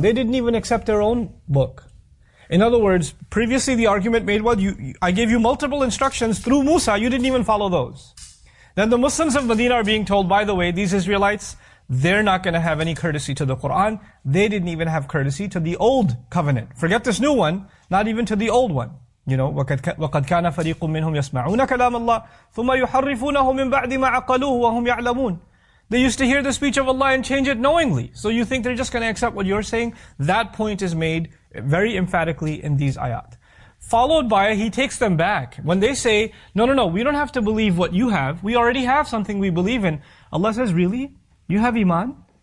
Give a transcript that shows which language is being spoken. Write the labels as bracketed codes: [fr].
[en] They didn't even accept their own book. In other words, previously the argument made, well, I gave you multiple instructions through Musa, you didn't even follow those. Then the Muslims of Medina are being told, by the way, these Israelites, they're not going to have any courtesy to the Quran. They didn't even have courtesy to the old covenant. Forget this new one, not even to the old one. You know, [ar] وَقَدْ كَانَ فَرِيقٌ مِّنْهُمْ يَسْمَعُونَ كَلَامَ اللَّهِ ثُمَّ يُحَرِّفُونَهُ مِّنْ بَعْدِ مَا عَقَلُوهُ وَهُمْ يَعْلَمُونَ. [en] They used to hear the speech of Allah and change it knowingly. So you think they're just going to accept what you're saying? That point is made very emphatically in these ayat. Followed by, he takes them back. When they say, no, we don't have to believe what you have. We already have something we believe in. Allah says, really? You have iman?